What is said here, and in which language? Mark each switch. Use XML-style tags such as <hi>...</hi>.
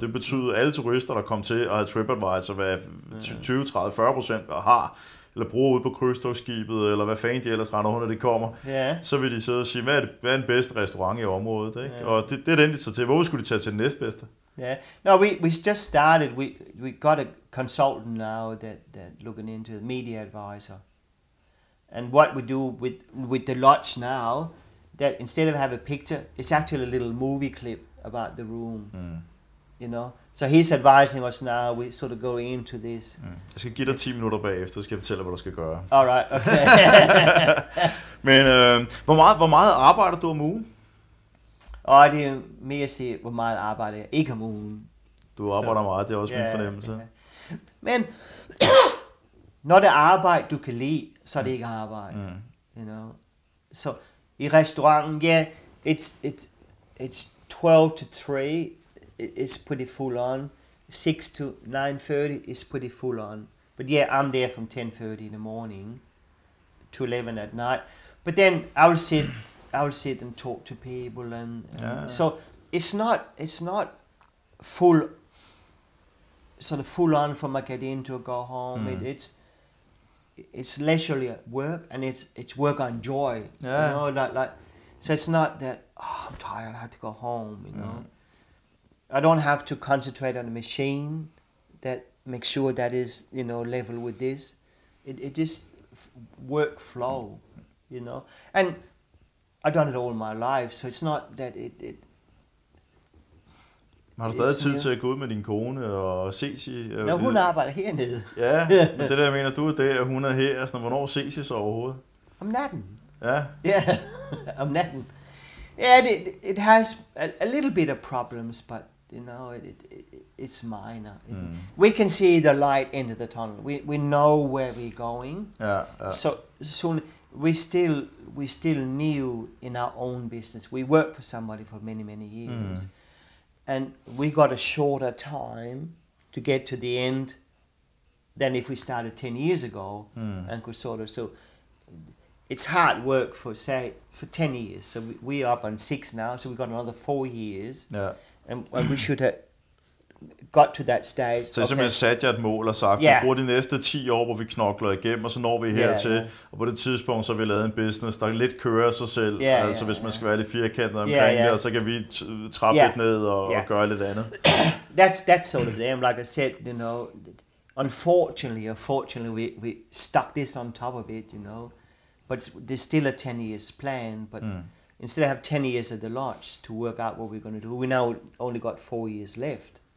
<da>Det betyder, at alle turister, der kom til at have TripAdvisor, hvad 20-30-40% har, eller bruger ude på krydstogsskibet, eller hvad fanden de ellers render under, det kommer, så vil de sidde og sige, hvad er den bedste restaurant i området? Ikke?</da> <en>Yeah.</en> <da>Og det er den, de tager til. Hvorfor skulle de tage til den næstbedste?</da> <en>Yeah. No, we just started. We got a consultant now that looking into the media advisor. And what we do with the lodge now, that instead of have a picture, it's actually a little movie clip about the room, you know. So he's advising us now, we sort of go into this.</en> <da>Mm. Jeg skal give dig 10 minutter bagefter, så skal jeg fortælle dig, hvad du skal gøre.</da> <en>All right, okay.</en> <da>Men hvor meget arbejder du om ugen? Og det er mere at sige, hvor meget arbejder jeg ikke om ugen. Du arbejder meget, det er også min fornemmelse.</da> <en>Yeah.</en> <da>Men når det arbejde, du kan lide, så det ikke arbejde,</da> <en>you know.</en> <da>Så i restauranten,</da> <en>it's 12 to 3, it's pretty full on. 6 to 9:30 is pretty full on. But I'm there from 10:30 in the morning to 11 at night. But then I'll sit and talk to people and so it's not full, sort of full on from I get in to go home. Mm. It's leisurely work, and it's work on joy, you know, like, so it's not that, I'm tired, I have to go home, you know. I don't have to concentrate on the machine that makes sure that is, you know, level with this. It just work flow, you know, and I've done it all my life, so it's not that it.</en> <da>Har du stadig tid til at gå ud med din kone og ses i? Ja, hun arbejder hernede. Ja, men det der, jeg mener, du er der, og hun er her. Sådan, hvornår ses I så overhovedet? Om natten. Ja. Yeah. Om natten. Ja,</da> <en>yeah, it has a little bit of problems, but, you know, it's minor. Mm. We can see the light end of the tunnel. We know where we're going.</en> <da>Ja, ja.</da> <en>So we still new in our own business. We work for somebody for many, many years. Mm. And we got a shorter time to get to the end than if we started 10 years ago and could sort of. So it's hard work for 10 years. So we are up on 6 now. So we've got another 4 years. Yeah. And we should have got to that stage.</en> <da>Så simpelthen sat jer et mål og sagt, vi bruger de næste 10 år, hvor vi knokler igennem, og så når vi hertil, og på det tidspunkt, så har vi lavet en business, der lidt kører sig selv, altså hvis man skal være lidt firkantet omkring det, og så kan vi trappe lidt ned og gøre lidt andet.</da> <en>That's sort of them, like I said, you know, unfortunately, we stuck this on top of it, you know, but there's still a 10 years plan, but instead of have 10 years at the lodge to work out what we're going to do, we now only got 4 years left.</en>